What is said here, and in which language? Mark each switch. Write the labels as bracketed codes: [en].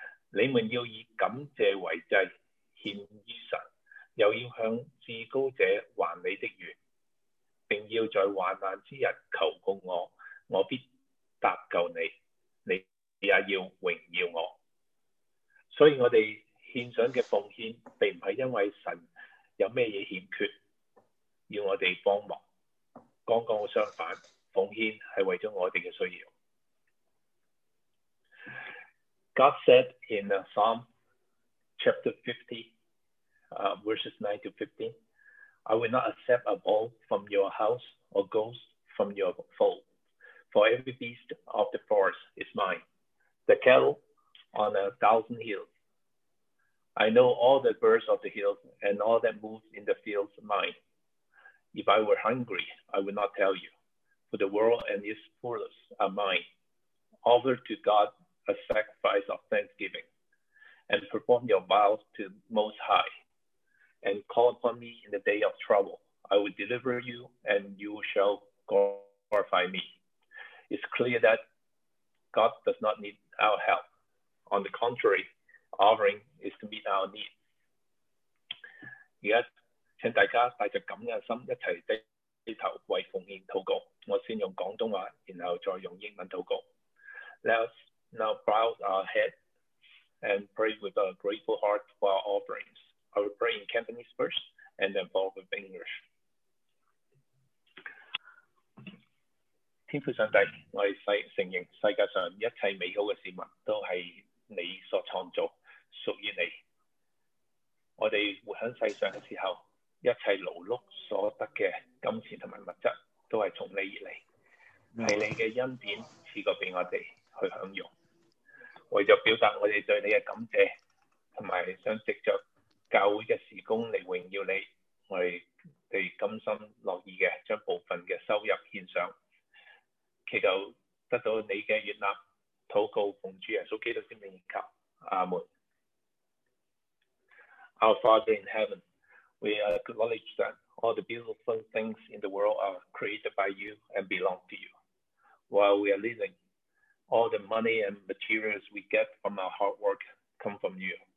[zh] 你们要以感谢为祭献于神，又要向至高者还你的愿，并要在患难之日求告我，我必搭救你，你也要荣耀我。所以我们獻上的奉獻並不是因為神有什麼欠缺要我們幫忙，剛剛相反，奉獻是為了我們的需要。 [en] God said in Psalm chapter 50 verses 9 to 15, I will not accept a bull from your house or goats from your fold, for every beast of the forest is mine, the cattle on a thousand hillsI know all the birds of the hills and all that moves in the fields mine. If I were hungry, I would not tell you, for the world and its fullness are mine. Offer to God a sacrifice of thanksgiving and perform your vows to Most High and call upon me in the day of trouble. I will deliver you and you shall glorify me. It's clear that God does not need our help. On the contrary,Offering is to meet our need. [zh] 現在請大家帶著感恩的心一起低頭為奉獻禱告。我先用廣東話，然後再用英文禱告。 [en] Let's now bow our head and pray with a grateful heart for our offerings. I will pray in Cantonese first and then follow with English. [zh] 天父上帝，我們承認世界上一切美好的事物都是你所創造，屬於你。我們活在世上的時候，一切勞碌所得的金錢和物質都是從你而來，是你的恩典賜過給我們去享用。為了表達我們對你的感謝，以及想藉著教會的事工來榮耀你，我們甘心樂意的將部分的收入獻上，祈求得到你的悦納。禱告奉主耶穌基督的名求，阿門。 [en] our Father in heaven, we acknowledge that all the beautiful things in the world are created by you and belong to you. While we are living, all the money and materials we get from our hard work come from you.